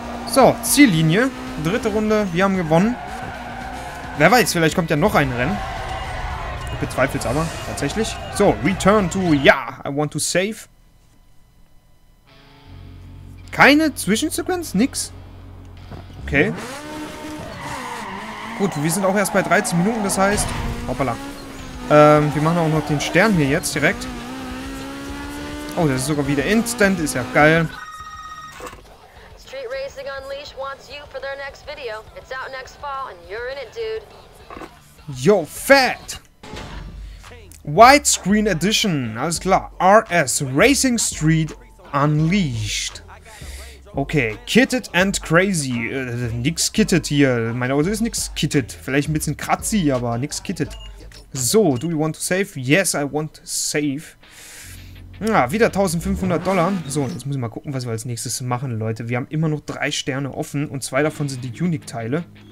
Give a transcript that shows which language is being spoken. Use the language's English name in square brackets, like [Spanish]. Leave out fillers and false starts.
[German] So, Ziellinie. Dritte Runde, wir haben gewonnen. Wer weiß, vielleicht kommt ja noch ein Rennen. Ich bezweifle es aber, tatsächlich. [English] So, return to, yeah, I want to save. [German] Keine Zwischensequenz? Nix? Okay. Gut, wir sind auch erst bei 13 Minuten, das heißt... Hoppala. Wir machen auch noch den Stern hier jetzt direkt. Oh, das ist sogar wieder instant, ist ja geil. [English] Street Racing Unleashed wants you for their next video. It's out next fall and you're in it, dude. Yo, fat! [German] Widescreen Edition, alles klar. RS Racing Street Unleashed. [English] Okay, kitted and crazy. [German] Nix kitted hier. Mein Auto ist nix kitted. Vielleicht ein bisschen kratzi, aber nix kitted. [English] So, do you want to save? Yes, I want to save. [German] Ja, wieder 1500 Dollar. So, jetzt muss ich mal gucken, was wir als nächstes machen, Leute. Wir haben immer noch 3 Sterne offen und 2 davon sind die Unique-Teile.